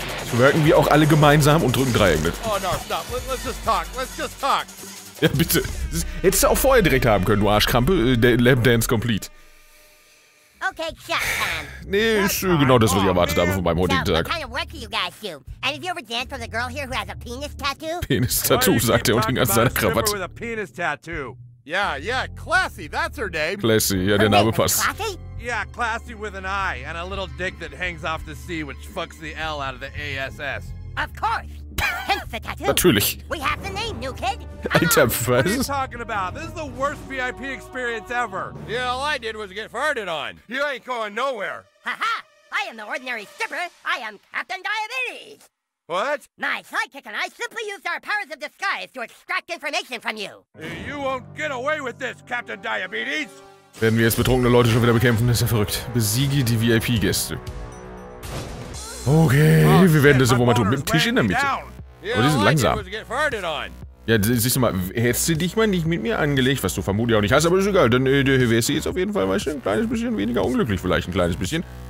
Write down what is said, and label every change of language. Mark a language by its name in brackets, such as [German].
[German] Twerken wir auch alle gemeinsam und drücken Dreieck mit. [English] Oh no, stop. Let's just talk. [German] Ja, bitte. Das hättest du auch vorher direkt haben können, du Arschkrampe. [English] Lab Dance complete. Okay, shut down. [German] Nee, ist genau das, was ich erwartet habe von meinem heutigen Tag. [English] What kind of work do you guys do? And have you ever danced with a girl here who has a penis tattoo? [German] Penis-Tattoo, sagt er und hing an seiner Krawatte. [English] With a penis tattoo. Yeah, Classy, that's her name. [German] Classy, ja, der Name passt. [English] Yeah, Classy with an I and a little dick that hangs off the C, which fucks the L out of the ASS. Of course. Hence the tattoo. [German] Natürlich. [English] We have the name, new kid. [German] Alter, [English] what are you talking about? This is the worst VIP experience ever. Yeah, all I did was get farted on. You ain't going nowhere. Haha! I am the ordinary stripper. I am Captain Diabetes. What? My sidekick and I simply used our powers of disguise to extract information from you. You won't get away with this, Captain Diabetes. [German] Werden wir jetzt betrunkene Leute schon wieder bekämpfen? Das ist ja verrückt. Besiege die VIP-Gäste. Okay, wir werden das irgendwo mal tun. Mit dem Tisch in der Mitte. Aber die sind langsam. Ja, siehst du mal, hättest du dich mal nicht mit mir angelegt, was du vermutlich auch nicht hast, aber ist egal, dann wärst du jetzt auf jeden Fall mal ein kleines bisschen weniger unglücklich, vielleicht ein kleines bisschen.